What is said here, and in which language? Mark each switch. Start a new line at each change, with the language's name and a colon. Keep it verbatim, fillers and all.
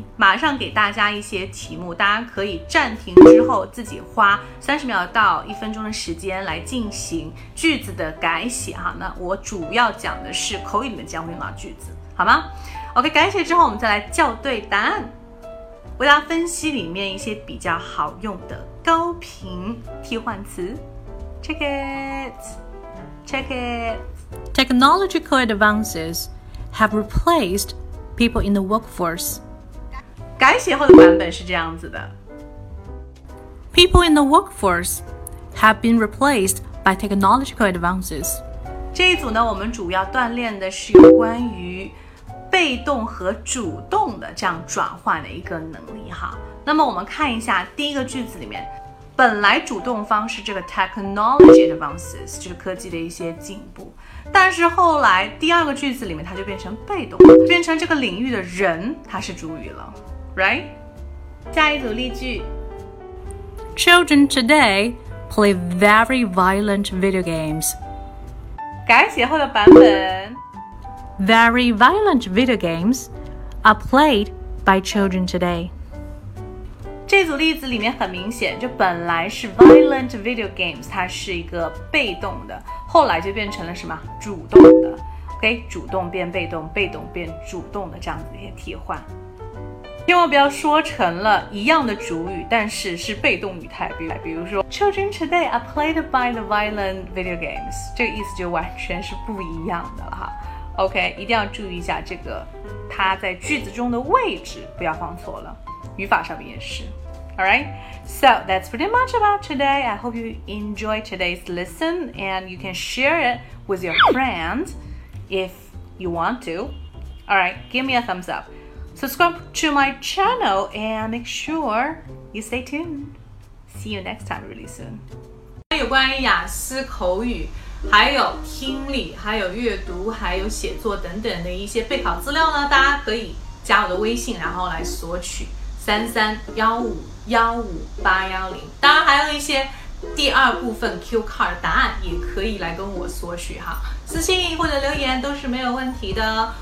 Chinese: 马上给大家一些题目，大家可以暂停之后自己花三十秒到一分钟的时间来进行句子的改写哈。那我主要讲的是口语里面将会用到句子，好吗？ OK， 改写之后我们再来校对答案，为大家分析里面一些比较好用的高频替换词。
English: Check it, check it. Technological advances have replaced people in the workforce.
Chinese: 改写后的版本是这样子的。
English: People in the workforce have been replaced by technological advances.
Chinese: 这一组呢，我们主要锻炼的是有关于被动和主动的这样转换的一个能力哈。那么我们看一下第一个句子里面，本来主动方是这个
English: technology advances，
Chinese: 就是科技的一些进步，但是后来第二个句子里面它就变成被动，变成这个领域的人它是主语了 ，right？下一组例句
English: ：Children today play very violent video games。
Chinese: 改写后的版本。
English: Very violent video games are played by children today.
Chinese: 这组例子里面很明显，就本来是
English: violent video games，
Chinese: 它是一个被动的，后来就变成了什么？主动的。 OK， 主动变被动，被动变主动的这样子一些替换。千万不要说成了一样的主语，但是是被动语态，比如说
English: Children today are played by the violent video games，
Chinese: 这个意思就完全是不一样的了哈。 OK， 一定要注意一下这个它在句子中的位置，不要放错了，语法上面也是。
English: Alright, so that's pretty much about today. I hope you enjoy today's lesson and you can share it with your friends if you want to. Alright, give me a thumbs up. Subscribe to my channel and make sure you stay tuned. See you next time really soon.
Chinese: 有关于雅思口语还有听力，还有阅读，还有写作等等的一些备考资料呢，大家可以加我的微信，然后来索取三三幺五幺五八幺零。当然还有一些第二部分 Q card 答案也可以来跟我索取哈，私信或者留言都是没有问题的。